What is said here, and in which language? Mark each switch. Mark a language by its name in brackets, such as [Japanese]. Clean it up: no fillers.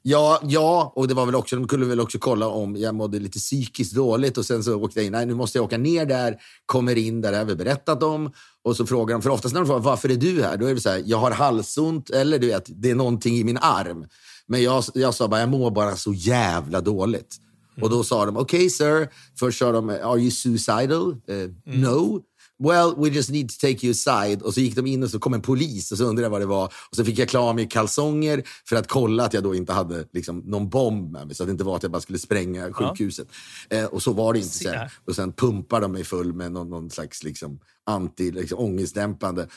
[Swedish] Ja, och det var väl också, de kunde väl också kolla om jag mådde lite psykiskt dåligt, och sen så åkte jag in, nej, nu måste jag åka ner där, kommer in där, jag har berättat om, och så frågar de, för oftast när de frågar, varför är du här? Då är det så här, jag har halsont, eller du vet, det är någonting i min arm. Men jag sa bara, jag mår bara så jävla dåligt. Och då sa de, [English] okay sir, [Swedish] först sa de, [English] are you suicidal? No. Well, we just need to take you aside. [Swedish] Och så gick de in och så kom en polis och så undrade jag vad det var. Och så fick jag klara mig kalsonger för att kolla att jag då inte hade liksom någon bomb med mig. Så att det inte var att jag bara skulle spränga sjukhuset. Ja. Och så var det inte sen. Och sen pumpade de mig full med någon slags liksom anti, liksom ångestdämpande.